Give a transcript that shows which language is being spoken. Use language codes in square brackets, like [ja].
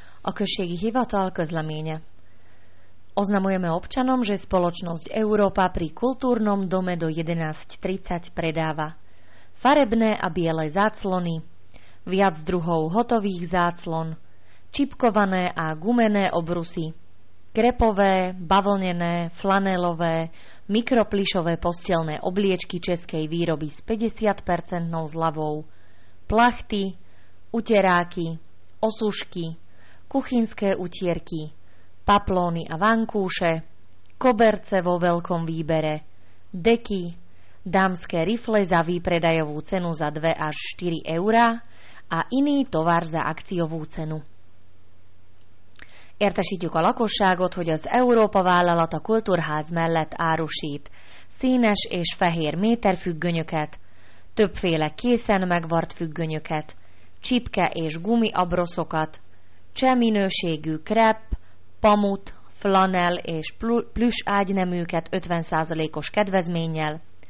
[hu] Okösségi hivatal közleménye. [sk] Oznamujeme občanom, že spoločnosť Európa pri kultúrnom dome do 11.30 predáva farebné a biele záclony, viac druhov hotových záclon, čipkované a gumené obrusy, krepové, bavlnené, flanelové, mikroplišové postelné obliečky českej výroby s 50% zľavou, plachty, uteráky, osušky, kuchynské utierky, paplóny a vankúše, koberce vo veľkom výbere, deky, dámske rifle za výpredajovú cenu za 2 až 4 eurá a iný tovar za akciovú cenu. [hu] Értesítjük a lakosságot, hogy az Európa vállalat a kultúrház mellett árusít színes és fehér méterfüggönyöket, többféle készen megvart függönyöket, csipke és gumi abroszokat, cseh minőségű krep, pamut, flanel és plüss ágyneműket 50%-os kedvezménnyel,